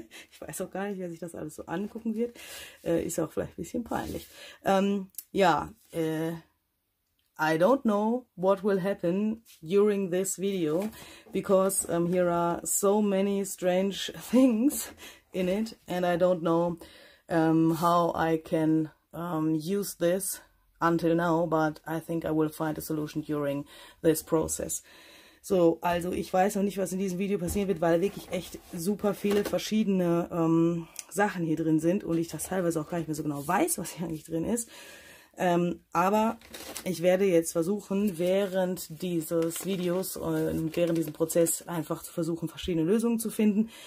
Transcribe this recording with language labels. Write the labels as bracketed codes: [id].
[de] Ich weiß auch gar nicht, wer sich das alles so angucken wird. Ist auch vielleicht ein bisschen peinlich. [en] I don't know what will happen during this video because here are so many strange things in it and I don't know how I can use this until now, but I think I will find a solution during this process. [de] So, also ich weiß noch nicht, was in diesem Video passieren wird, weil wirklich echt super viele verschiedene Sachen hier drin sind und ich das teilweise auch gar nicht mehr so genau weiß, was hier eigentlich drin ist. Aber ich werde jetzt versuchen, während dieses Videos und während diesem Prozess einfach zu versuchen, verschiedene Lösungen zu finden.